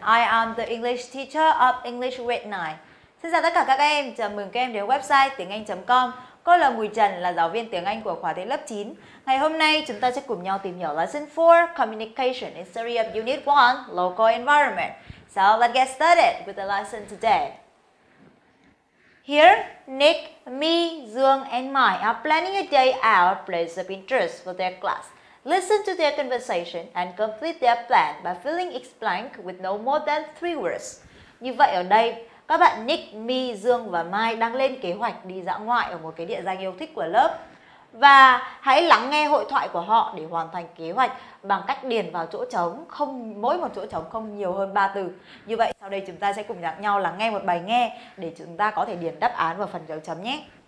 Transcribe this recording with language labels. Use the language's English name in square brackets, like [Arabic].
[English] I am the English teacher of English Red 9. [Vietnamese] Xin chào tất cả các em. Chào mừng các em đến website tiengang.com. Cô là Wu Chen, là giáo viên tiếng Anh của khóa tiếng lớp 9. Ngày hôm nay chúng ta sẽ cùng nhau tìm hiểu [English] lesson 4 Communication in series of Unit 1 Local Environment. So let's get started with the lesson today. Here, Nick, me, Dương and Mai are planning a day out place of interest for their class. Listen to their conversation and complete their plan by filling each blank with no more than 3 words. [Vietnamese] Như vậy ở đây, các bạn Nick, Mi, Dương và Mai đang lên kế hoạch đi dã ngoại ở một cái địa danh yêu thích của lớp. Và hãy lắng nghe hội thoại của họ để hoàn thành kế hoạch bằng cách điền vào chỗ trống, không mỗi một chỗ trống không nhiều hơn 3 từ. Như vậy, sau đây chúng ta sẽ cùng nhau lắng nghe một bài nghe để chúng ta có thể điền đáp án vào phần dấu chấm nhé.